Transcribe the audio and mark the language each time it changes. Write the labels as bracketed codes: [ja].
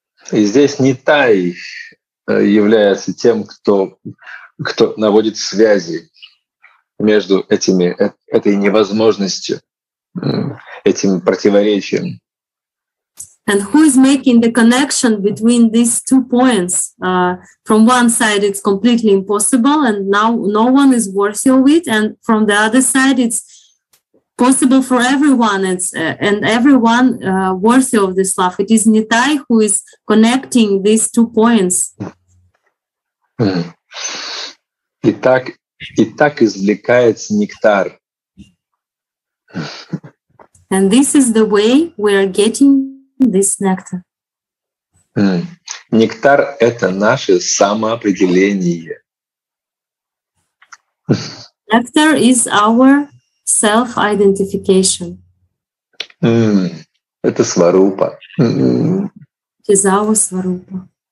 [ru] И здесь не Тай является тем, кто наводит связи между этими, этой невозможностью, этим противоречием. [en] And who is making the connection between these two points? From one side, it's completely impossible, and now no one is worthy of it. And from the other side, it's possible for everyone, and everyone worthy of this love. It is Nitai who is connecting these two points. [ru] И так извлекается нектар. [en] And this is the way we are getting this nectar. [ru] Нектар — это наше самоопределение. [en] Nectar is our self-identification. [ru] Это сварупа. [en] It is our сварупа.